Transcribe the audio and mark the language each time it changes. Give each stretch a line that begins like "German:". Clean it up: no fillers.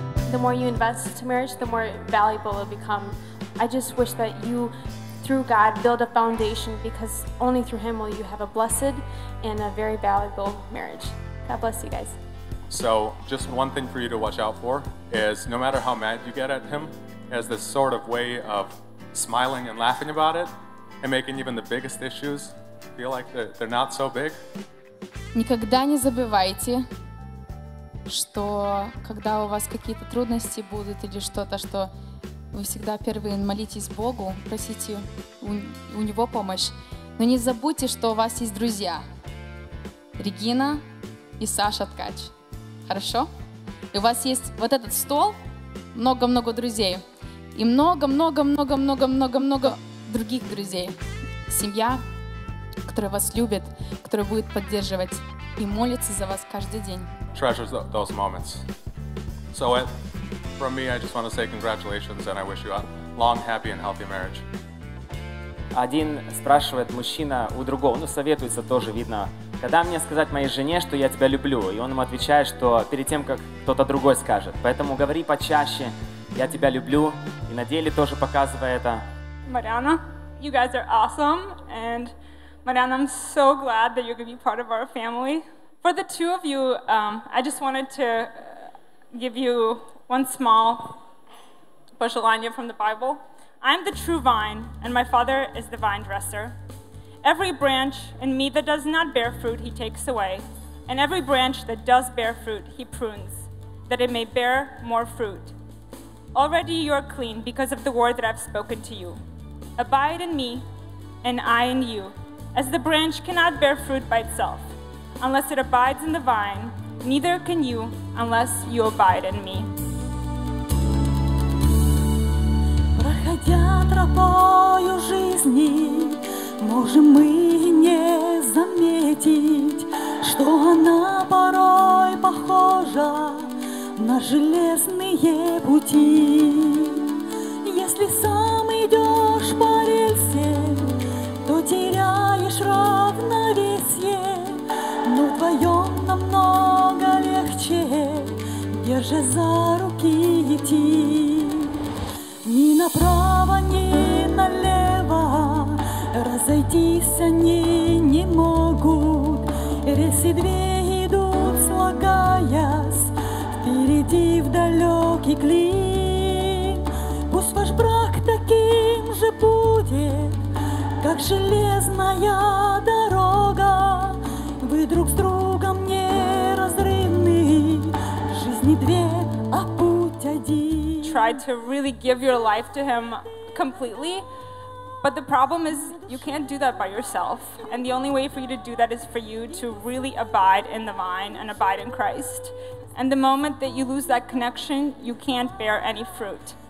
English: The more you invest into marriage, the more valuable it will become. I just wish that you, through God, build a foundation, because only through Him will you have a blessed and a very valuable marriage. God bless you guys. So just one thing for you to watch out for is, no matter how mad you get at him, he has this sort of way of smiling and laughing about it and making even the biggest issues feel like they're not so big.
Russian: Никогда не забывайте, что когда у вас какие-то трудности будут или что-то, что вы всегда первые молитесь Богу, просите у Него помощь. Но не забудьте, что у вас есть друзья. Регина и Саша Ткач. Хорошо? И у вас есть вот этот стол, много-много друзей. И много-много-много-много-много-много других друзей. Семья, которая вас любит, которая будет поддерживать и молится за вас каждый день.
English: Treasure those moments. So it... From me, I just want to say congratulations, and I wish you a long, happy, and healthy marriage.
Russian: Один спрашивает мужчина у другого, ну советуется тоже, видно. Когда мне сказать моей жене, что я тебя люблю? И он ему отвечает, что перед тем, как кто-то другой скажет. Поэтому говори почаще, я тебя люблю. И на деле тоже показывает это.
English: Mariana, you guys are awesome, and Mariana, I'm so glad that you're going to be part of our family. For the two of you, I just wanted to give you one small пожелание from the Bible. I'm the true vine, and my Father is the vine dresser. Every branch in me that does not bear fruit, he takes away. And every branch that does bear fruit, he prunes, that it may bear more fruit. Already you are clean because of the word that I've spoken to you. Abide in me, and I in you. As the branch cannot bear fruit by itself, unless it abides in the vine, neither can you unless you abide in me.
Russian: Проходя тропою жизни, можем мы не заметить, что она порой похожа на железные пути. Если сам идешь по рельсе, то теряешь равновесие, но вдвоем намного легче, держа за руки идти. Ни направо, ни налево разойтись они не могут. Рельсы две идут, слагаясь, впереди в далекий клин. Пусть ваш брак таким же будет, как железная дорога. Вы друг с другом неразрывны, жизни две, а путь один.
English: Tried to really give your life to him completely, but the problem is you can't do that by yourself, and the only way for you to do that is for you to really abide in the vine and abide in Christ. And the moment that you lose that connection, you can't bear any fruit.